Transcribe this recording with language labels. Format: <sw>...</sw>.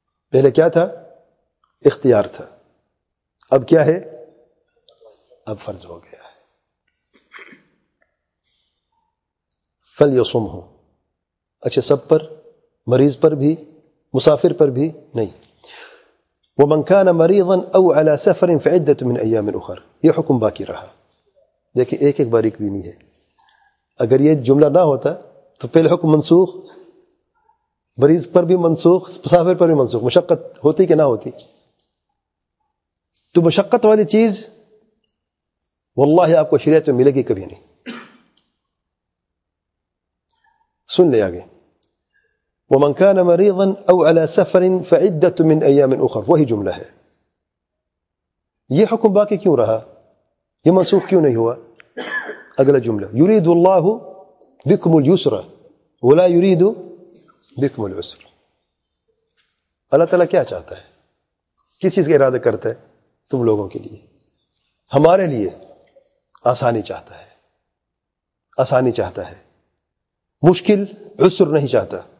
<ur>پہلے کیا تھا؟ اختیار تھا، اب کیا ہے؟ اب فرض ہو گیا ہے. فلیصمہ، اچھا سب پر، مریض پر بھی، مسافر پر بھی نہیں.</ur> <ar>ومن كان مريضا او على سفر فعدة من ايام اخر،</ar> <ur>یہ حکم باقی رہا. دیکھیں ایک ایک باریک بھی نہیں ہے. اگر یہ جملہ نہ ہوتا تو پہلے حکم منسوخ، مریض پر بھی منسوخ، مسافر پر بھی منسوخ، مشقت ہوتی کہ نہ ہوتی؟ تو مشقت والی چیز واللہ آپ کو شریعت میں ملے گی کبھی نہیں. سن لے آگے،</ur> <ar>ومن كان مريضا او على سفر فعدة من ايام اخر،</ar> <ur>وہی جملہ ہے. یہ حکم باقی کیوں رہا؟ یہ منسوخ کیوں نہیں ہوا؟ اگلا جملہ،</ur> <ar>يريد الله بكم اليسر ولا يريد بكم العسر،</ar> <ur>اللہ تعالیٰ کیا چاہتا ہے، کس چیز کا ارادہ کرتا ہے تم لوگوں کے لیے؟ ہمارے لیے آسانی چاہتا ہے، آسانی چاہتا ہے، مشکل عسر نہیں چاہتا.</ur>